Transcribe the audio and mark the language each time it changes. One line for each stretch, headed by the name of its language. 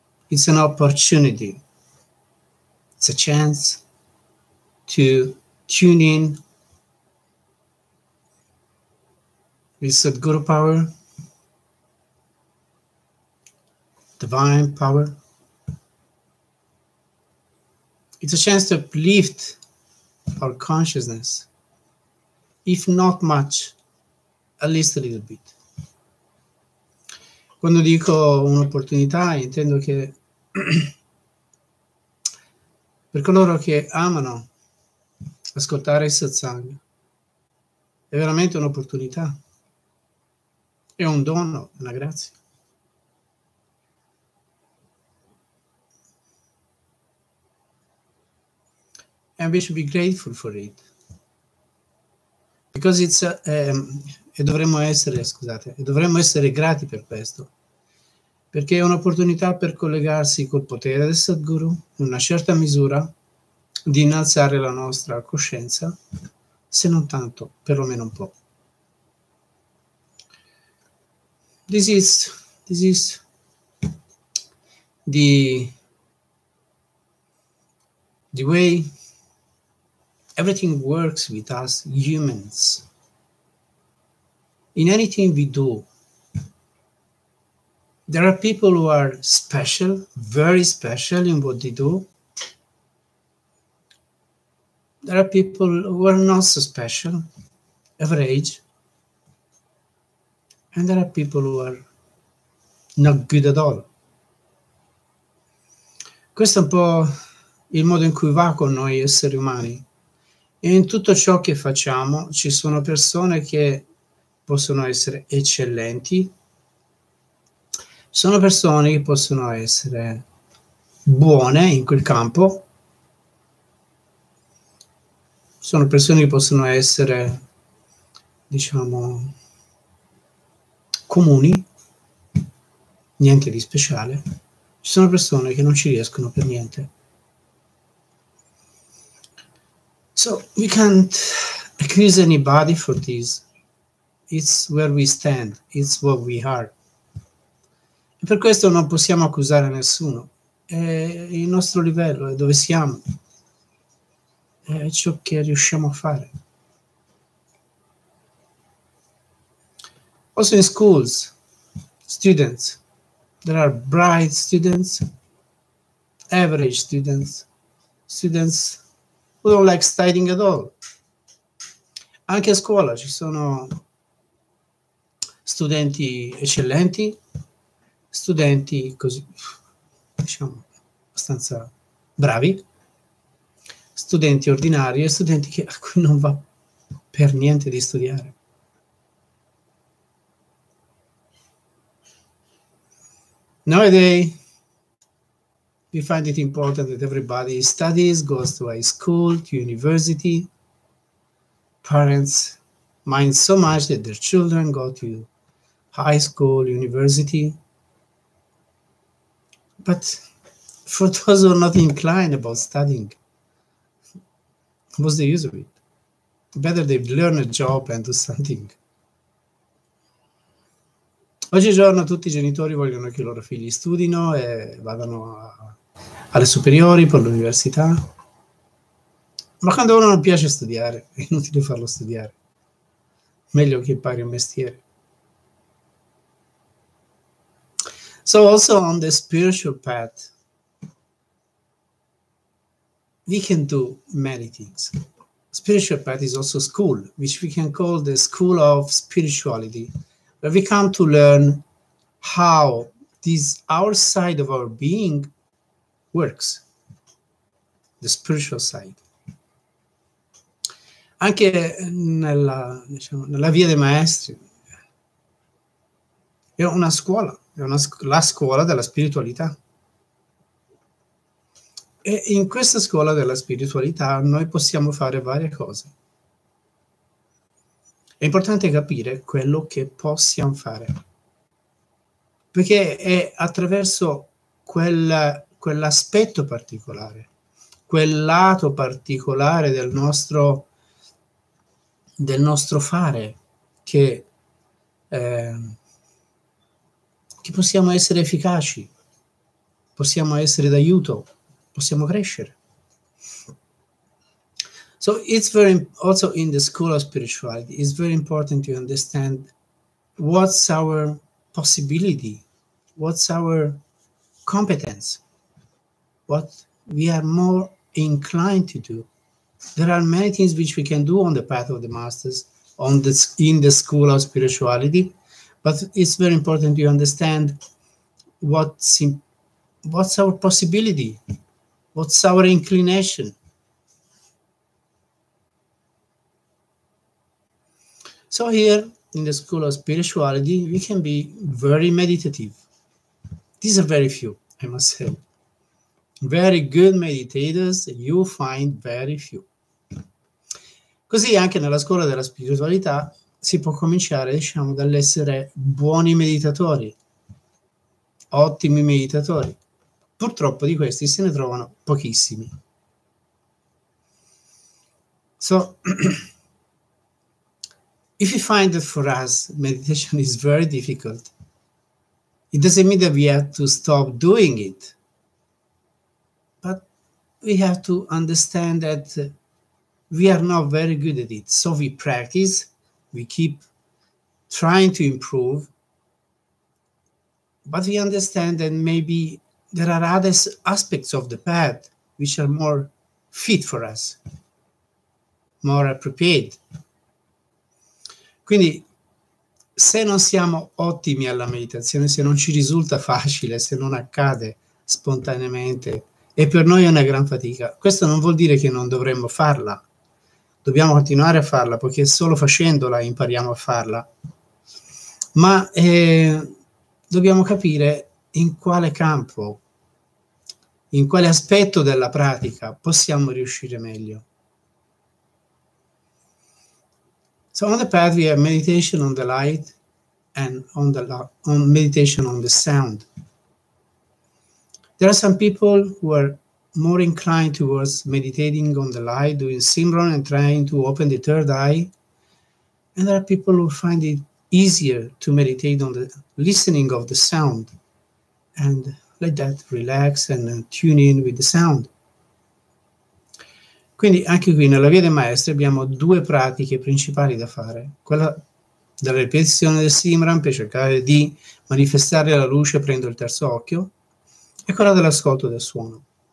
English: It's an opportunity, it's a chance to tune in with Sadhguru power, divine power. It's a chance to uplift our consciousness, if not much, at least a little bit.
Italian: Quando dico un'opportunità, intendo che per coloro che amano ascoltare il satsang, è veramente un'opportunità. È un dono, una grazia.
English: And we should be grateful for it. Because it's
Italian: dovremmo essere grati per questo. Perché è un'opportunità per collegarsi col potere del Sadhguru, in una certa misura, di innalzare la nostra coscienza, se non tanto, perlomeno un po'.
English: This is the way everything works with us humans. In anything we do, there are people who are special, very special in what they do. There are people who are not so special, average. And there are people who are not good at all.
Italian: Questo è un po' il modo in cui va con noi esseri umani. E in tutto ciò che facciamo ci sono persone che possono essere eccellenti. Sono persone che possono essere buone in quel campo. Sono persone che possono essere, diciamo, comuni, niente di speciale. Ci sono persone che non ci riescono per niente.
English: So we can't accuse anybody for this. It's where we stand, it's what we are.
Italian: E per questo non possiamo accusare nessuno. È il nostro livello, è dove siamo, è ciò che riusciamo a fare.
English: Also in schools, students, there are bright students, average students, students who don't like studying at all.
Italian: Anche a scuola ci sono studenti eccellenti, studenti così, diciamo, abbastanza bravi, studenti ordinari e studenti a cui non va per niente di studiare.
English: Nowadays, we find it important that everybody studies, goes to high school, to university. Parents mind so much that their children go to high school, university. But for those who are not inclined about studying, what's the use of it? Better they learn a job and do something.
Italian: Oggigiorno tutti i genitori vogliono che i loro figli studino e vadano alle superiori per l'università. Ma quando a uno non piace studiare, è inutile farlo studiare. Meglio che impari un mestiere.
English: So, also on the spiritual path, we can do many things. Spiritual path is also school, which we can call the school of spirituality, where we come to learn how this our side of our being works, the spiritual side.
Italian: Anche nella, diciamo, nella via dei maestri, è una scuola. È una sc la scuola della spiritualità. E in questa scuola della spiritualità noi possiamo fare varie cose. È importante capire quello che possiamo fare, perché è attraverso quell'aspetto particolare, quel lato particolare del nostro fare che possiamo essere efficaci, possiamo essere d'aiuto, possiamo crescere.
English: So it's very also in the school of spirituality, it's very important to understand what's our possibility, what's our competence, what we are more inclined to do. There are many things which we can do on the path of the masters, in the school of spirituality. But it's very important you understand what's our possibility, what's our inclination. So here in the school of spirituality, we can be very meditative. These are very few, I must say. Very good meditators, you find very few.
Italian: Così anche nella scuola della spiritualità. Si può cominciare, diciamo, dall'essere buoni meditatori, ottimi meditatori. Purtroppo di questi se ne trovano pochissimi.
English: So, if you find that for us meditation is very difficult, it doesn't mean that we have to stop doing it, we have to understand that we are not very good at it. So we practice. We keep trying to improve, but we understand that maybe there are other aspects of the path which are more fit for us, more appropriate.
Italian: Quindi, se non siamo ottimi alla meditazione, se non ci risulta facile, se non accade spontaneamente, e per noi è una gran fatica, questo non vuol dire che non dovremmo farla. Dobbiamo continuare a farla perché solo facendola impariamo a farla. Ma dobbiamo capire in quale campo, in quale aspetto della pratica possiamo riuscire meglio.
English: So on the path we have meditation on the light and on meditation on the sound. There are some people who are more inclined towards meditating on the light, doing Simran and trying to open the third eye. And there are people who find it easier to meditate on the listening of the sound and let that relax and tune in with the sound.
Italian: Quindi anche qui nella Via dei Maestri abbiamo due pratiche principali da fare, quella della ripetizione del Simran per cercare di manifestare la luce aprendo il terzo occhio e quella dell'ascolto del suono.